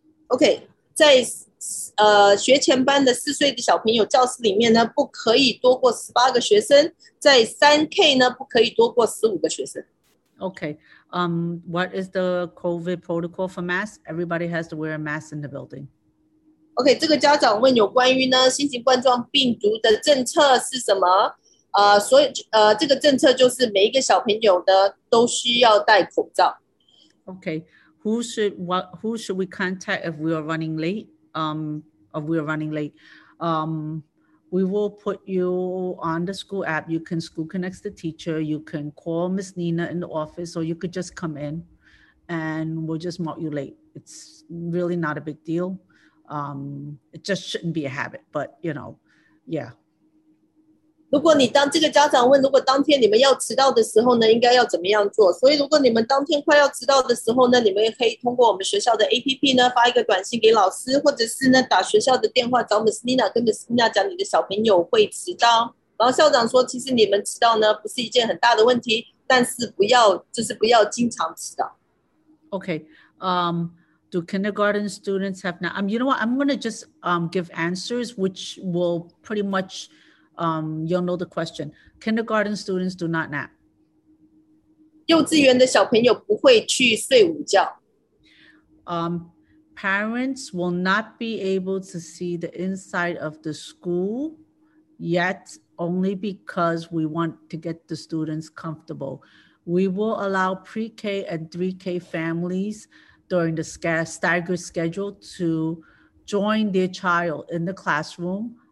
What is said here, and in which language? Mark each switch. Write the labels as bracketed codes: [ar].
[zh] Okay, 在学前班的四岁的小朋友教室里面呢，不可以多过18个学生。在3K 呢，不可以多过15个学生。 [en] Okay, what is the COVID protocol for masks? Everybody has to wear a mask in the building. [zh] Okay, 这个家长问有关于呢新型冠状病毒的政策是什么？所以这个政策就是每一个小朋友呢都需要戴口罩。 [en] Okay, who should we contact if we are running late? If we are running late, we will put you on the school app. You can school connect the teacher. You can call Miss Nina in the office, or you could just come in, and we'll just mark you late. It's really not a big deal. It just shouldn't be a habit, but you know, yeah. [zh] 如果你当这个家长问，如果当天你们要迟到的时候呢，应该要怎么样做？所以如果你们当天快要迟到的时候呢，你们也可以通过我们学校的 APP 呢发一个短信给老师，或者是呢打学校的电话找 Miss Nina， 跟 Miss Nina 讲你的小朋友会迟到。然后校长说，其实你们迟到呢不是一件很大的问题，但是不要经常迟到。 [en] Okay. Do kindergarten students have now? You know what? I'm going to just give answers which will pretty much. You'll know the question. Kindergarten students do not nap. [zh] 幼稚园的小朋友不会去睡午觉。 [en] Parents will not be able to see the inside of the school yet, only because we want to get the students comfortable. We will allow pre-K and 3K families during the staggered schedule to join their child in the classroom.